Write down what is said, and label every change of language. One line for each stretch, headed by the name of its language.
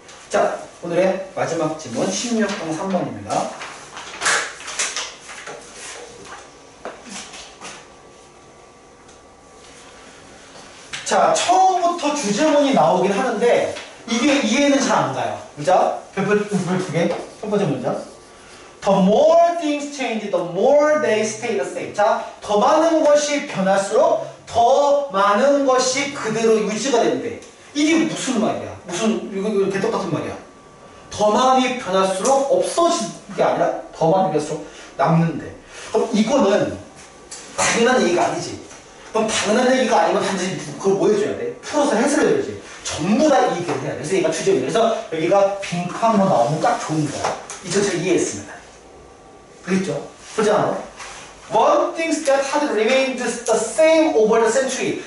Korean: 자, 오늘의 마지막 질문 16번 3번입니다. 자, 처음부터 주제문이 나오긴 하는데 이게 이해는 잘 안 가요. 그죠? 첫 번째 문장.
English: The more things change, the more they stay the same.
Korean: 자, 더 많은 것이 변할수록 더 많은 것이 그대로 유지가 된대. 이게 무슨 말이야? 무슨 이거 대떡 같은 말이야? 더 많이 변할수록 없어지는 게 아니라 더 많이 변할수록 남는데. 그럼 이거는 당연한 얘기가 아니지. 그럼 당연한 얘기가 아니면 단지 그걸 뭐 해줘야 돼? 풀어서 해설해줘야지. 전부 다 이익을 해야 돼. 그래서 얘가 주제입니다. 그래서 여기가 빈칸으로 나오면 딱 좋은 거야. 이 전체를 이해했습니다. 그랬죠? 그렇잖아.
English: One thing that had remained the same over the century.